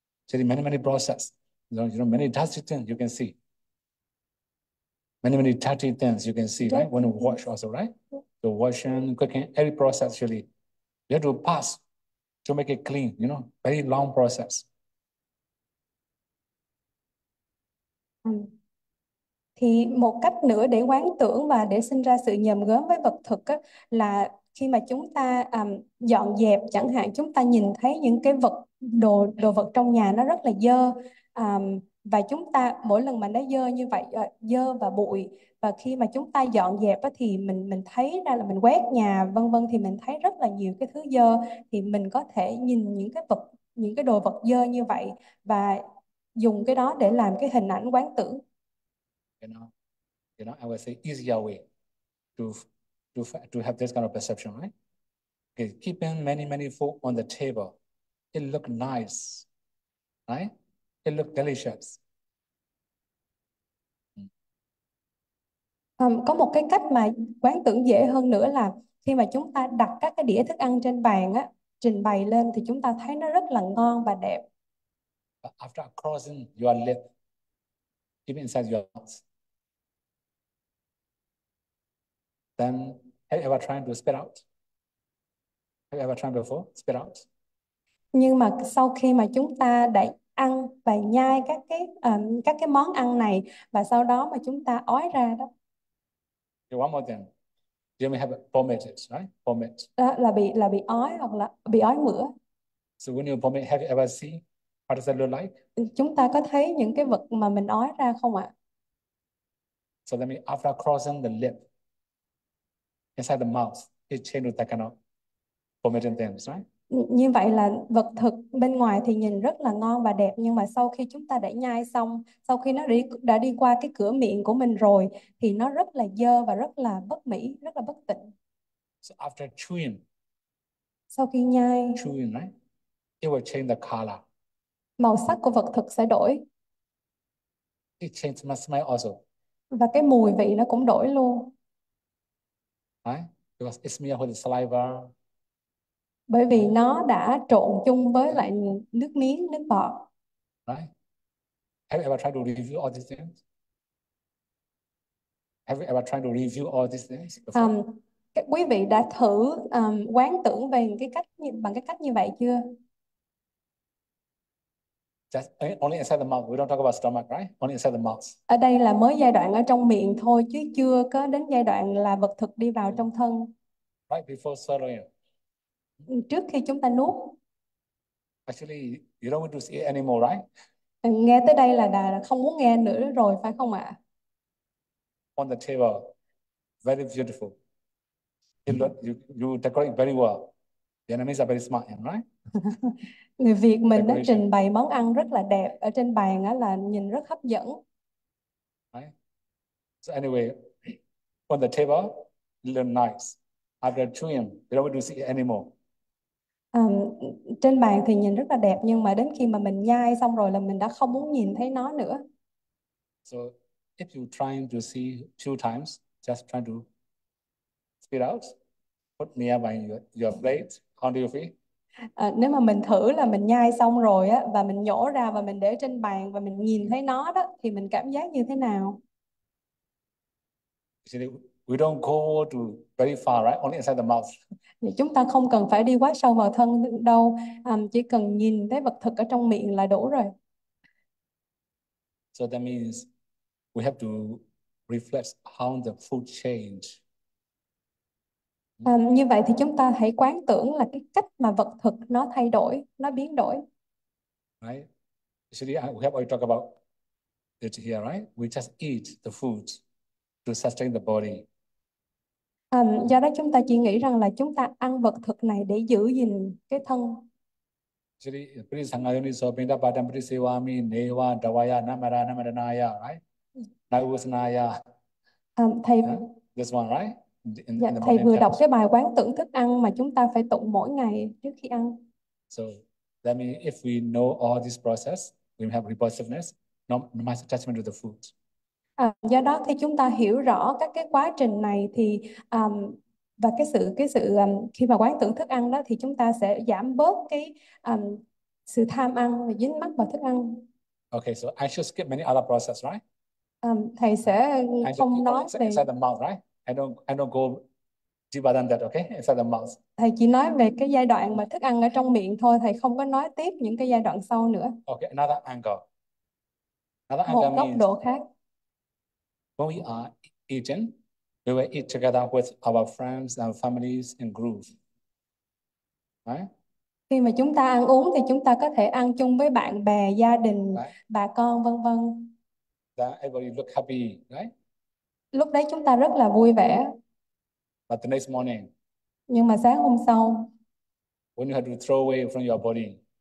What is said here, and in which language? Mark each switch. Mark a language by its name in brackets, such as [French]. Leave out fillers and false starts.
[English] See, many, many processes. You know, many dusty things you can see. Many, many dirty things you can see, right? When you wash also, right? The washing, cooking, every process actually. You have to pass to make it clean, you know, very long process. [Vietnamese] Thì một cách nữa để quán tưởng và để sinh ra sự nhòm ngó với vật thực á, là khi mà chúng ta dọn dẹp, chẳng hạn chúng ta nhìn thấy những cái vật đồ đồ vật trong nhà nó rất là dơ, và chúng ta mỗi lần mà nó dơ như vậy, dơ và bụi, và khi mà chúng ta dọn dẹp á, thì mình thấy ra là mình quét nhà vân vân, thì mình thấy rất là nhiều cái thứ dơ, thì mình có thể nhìn những cái đồ vật dơ như vậy và dùng cái đó để làm cái hình ảnh quán tưởng. [English] You know, I would say easier way to have this kind of perception, right? Okay, keeping many, many food on the table, it look nice, right? It look delicious. [Vietnamese] Có một cái cách mà quán tưởng dễ hơn nữa là khi mà chúng ta đặt các cái đĩa thức ăn trên bàn á, trình bày lên thì chúng ta thấy nó rất là ngon và đẹp. [English] But after crossing your lip, keep inside your mouth. Then, have you ever tried to spit out? Have you ever tried before? Spit out? [Vietnamese] Nhưng mà sau khi mà chúng ta đã ăn và nhai các cái món ăn này và sau đó mà chúng ta ói ra đó, [English] Okay, one more thing. You may have vomited, right? Vomit. [Vietnamese] đó là bị ói hoặc là bị ói [English] So when you vomit, have you ever seen what does it look like? [Vietnamese] mửa. Chúng ta có thấy những cái vật mà mình ói ra không ạ? [English] So let me, after crossing the lip, inside the mouth, it changes that kind of formatting things, right? [Vietnamese] Như vậy là vật thực bên ngoài thì nhìn rất là ngon và đẹp, nhưng mà sau khi chúng ta đã nhai xong, sau khi nó đã đi qua cái cửa miệng của mình rồi thì nó rất là dơ và rất là bất mỹ, rất là bất tịnh. [English] So after chewing, [Vietnamese] Sau khi nhai, [English] chewing, right? It will change the color. [Vietnamese] màu sắc của vật thực sẽ đổi [English] It changes my smell also. [Vietnamese] và cái mùi vị nó cũng đổi luôn. [English] Right? Because it's smeared with the saliva. [Vietnamese] Bởi vì [English] Right? [Vietnamese] nó đã trộn chung với lại nước miếng, nước bọt. [English] Right? Have you ever tried to review all these things? Have you ever tried to review all these things before? [Vietnamese] Các quý vị đã thử quán tưởng về cái cách bằng cái cách như vậy chưa? [English] Just only inside the mouth. We don't talk about stomach, right? Only inside the mouth. [Vietnamese] Ở đây là mới giai đoạn ở trong miệng thôi chứ chưa có đến giai đoạn là vật thực đi vào trong thân. [English] Right before [Vietnamese] Trước khi chúng ta nuốt, [English] Actually, you don't want to see it anymore, right? [Vietnamese] nghe tới đây là đã không muốn nghe nữa rồi phải không ạ? [English] On the table, very beautiful. You decorate very well. The Vietnamese are very smart, right? [Vietnamese] Người Việt mình nó [English] Decoration. [Vietnamese] trình bày món ăn rất là đẹp ở trên bàn á, là nhìn rất hấp dẫn. [English] Right? So anyway, on the table, it looks nice. After chewing, you don't want to see it anymore. [Vietnamese] Trên bàn thì nhìn rất là đẹp nhưng mà đến khi mà mình nhai xong rồi là mình đã không muốn nhìn thấy nó nữa. [English] So if you're trying to see two times, just try to spit out, put me up by your plate, onto your feet. [Vietnamese] Nếu mà mình thử là mình nhai xong rồi á và mình nhổ ra và mình để trên bàn và mình nhìn thấy nó đó thì mình cảm giác như thế nào? [English] We don't go to very far, right? Only inside the mouth. [Vietnamese] Chúng ta không cần phải đi quá sâu vào thân đâu, chỉ cần nhìn thấy vật thực ở trong miệng là đủ rồi. [English] So that means we have to reflect how the food change. [Vietnamese] Như vậy thì chúng ta hãy quán tưởng là cái cách mà vật thực nó thay đổi, nó biến đổi. [English] Right? Actually, we have already talked about it here, right? We just eat the food to sustain the body. [Vietnamese] Do đó chúng ta chỉ nghĩ rằng là chúng ta ăn vật thực này để giữ gìn cái thân. [English] Actually, please hang on. So, bring up Adam, please say, "Wami, Neva, Dawaya, Namara, [Vietnamese] Thầy [English] Namara, Naya." Right? Now, this one, right? In [Vietnamese] dạ, [English] the [Vietnamese] thầy [English] morning [Vietnamese] vừa đọc [English] prayers. [Vietnamese] cái bài quán tưởng thức ăn mà chúng ta phải tụng mỗi ngày trước khi ăn. [English] So, that means if we know all this process, we have repulsiveness, no matter attachment to the food. [Vietnamese] Do đó khi chúng ta hiểu rõ các cái quá trình này thì và cái sự khi mà quán tưởng thức ăn đó thì chúng ta sẽ giảm bớt cái sự tham ăn và dính mắc vào thức ăn. [English] Okay, so I should skip many other process, right? [Vietnamese] Thầy sẽ [English] I just [Vietnamese] không nói [English] inside [Vietnamese] về, [English] the mouth, right? I don't go deeper than that, okay? Inside the mouth. [Vietnamese] thầy chỉ nói về cái giai đoạn mà thức ăn ở trong miệng thôi, thầy không có nói tiếp những cái giai đoạn sau nữa. [English] Okay, another angle. Another angle [Vietnamese] Một góc [English] means [Vietnamese] độ khác. [English] when we are eating, we will eat together with our friends and families and groups, right? [Vietnamese] Khi mà chúng ta ăn uống thì chúng ta có thể ăn chung với bạn bè, gia đình, [English] Right? [Vietnamese] bà con, vân vân. [English] That everybody look happy, right? [Vietnamese] Lúc đấy chúng ta rất là vui vẻ. [English] But the next morning, [Vietnamese] Nhưng mà sáng hôm sau, [English] when you have to throw away from your body,